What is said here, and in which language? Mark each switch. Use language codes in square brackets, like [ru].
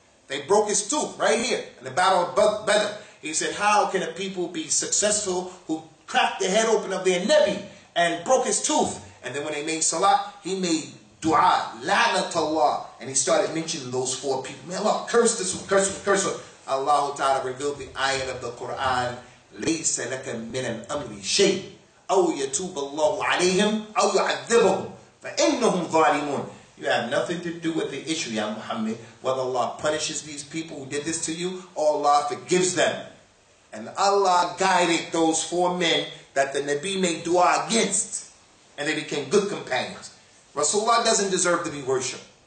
[en] They broke his tooth right here in the Battle of Badr. He said, how can a people be successful who cracked the head open of their Nabi and broke his tooth? And then when they made salat, he made dua, la'natullah. And he started mentioning those four people. May Allah curse this one, curse this one, curse this one. Allah Ta'ala revealed the ayat of the Quran, [ar] لَيْسَ لَكَ مِنَ الْأَمْرِ شَيْءٍ أَوْ يَتُوبَ اللَّهُ عَلَيْهِمْ أَوْ يُعَذِّبَهُمْ فَإِنَّهُمْ ظَالِمُونَ. [en] You have nothing to do with the issue, Ya Muhammad. Whether Allah punishes these people who did this to you, or Allah forgives them. And Allah guided those four men that the Nabi made dua against. And they became good companions. Rasulullah doesn't deserve to be worshipped.